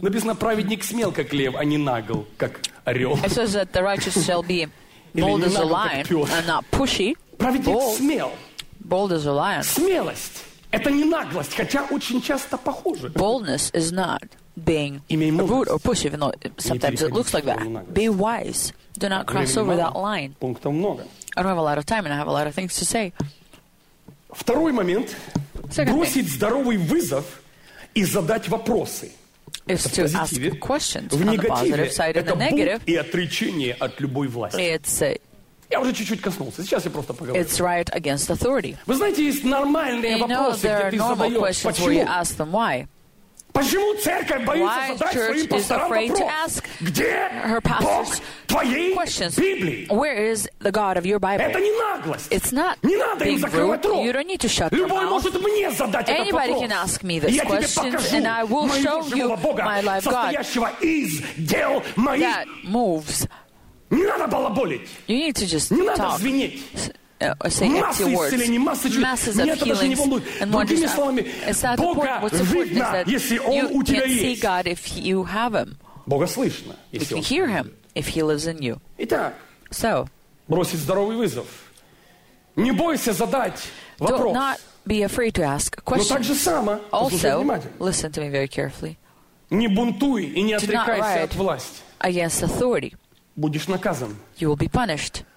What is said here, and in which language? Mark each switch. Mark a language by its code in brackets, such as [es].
[ru] Написано: праведник смел, как лев, а не нагл, как орел. [en] It says that the righteous shall be bold as a lion and not pushy. [ru] Праведник смел. [en] Bold as a lion. [ru] Смелость — это не наглость, хотя очень часто похоже. [en] Boldness is not being rude or pushy, even though sometimes it looks like that. Be wise. Do not cross over that line. [ru] Пунктов много. [en] I don't have a lot of time, and I have a lot of things to say. [ru] Второй момент. Бросить здоровый вызов и задать вопросы. Это в позитиве. В негативе это бунт и отречение от любой власти. Я уже чуть-чуть коснулся. Сейчас я просто поговорю. [en] It's right against authority. [ru] Вы знаете, есть нормальные вопросы, где ты задаешь почему. Почему церковь боится задать своим пасторам вопрос? Где Бог твоей Библии? [en] Where is the God of your Bible? [ru] Это не наглость. [en] It's not. [ru] Не надо им закрывать рот. [en] You don't need to shut their [ru] mouth. Любой может мне задать этот вопрос. [en] Anybody can ask me this question, and I will show you my life, God. That moves. [ru] Не надо балаболить. [en] You need to just talk. Не [ru] надо звенеть. [en] Saying empty words, masses of healings, and wonders. Is that the point? What's important is that you can see God if you have Him. [ru] Бога слышно, если [en] you can hear Him if He lives in you. [ru] Итак, [en] so, [ru] бросить здоровый вызов. Не бойся задать вопрос. [en] Do not be afraid to ask questions. [ru] Но так же само, [en] also, listen to me very carefully. [ru] Не бунтуй и не отрекайся от власти. [en] Against authority. [ru] Будешь наказан. [en] You will be punished.